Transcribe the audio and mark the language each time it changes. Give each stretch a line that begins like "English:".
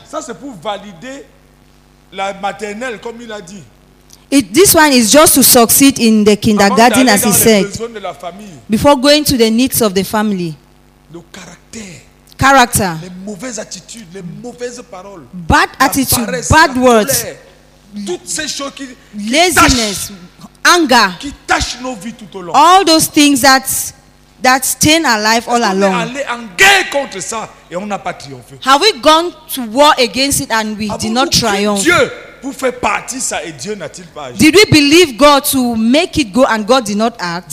French: Ça, c'est pour valider la maternelle, comme il a dit.
English: This one is just to succeed in the kindergarten, as he said, before going to the needs of the family.
French: Le caractère.
English: Character.
French: Les mauvaises attitudes, les mauvaises paroles.
English: Bad attitude, paresse, bad words.
French: Colère, toutes ces choses qui,
English: laziness. Anger,
French: qui tâche nos vies tout au long.
English: All those things that stain our life all along.
French: On est allé en guerre contre ça et on n'a pas triomphé.
English: Have we gone to war against it and we did not triumph?
French: Dieu pour faire partie ça et Dieu n'a-t-il pas agi?
English: Did we believe God to make it go and God did not act?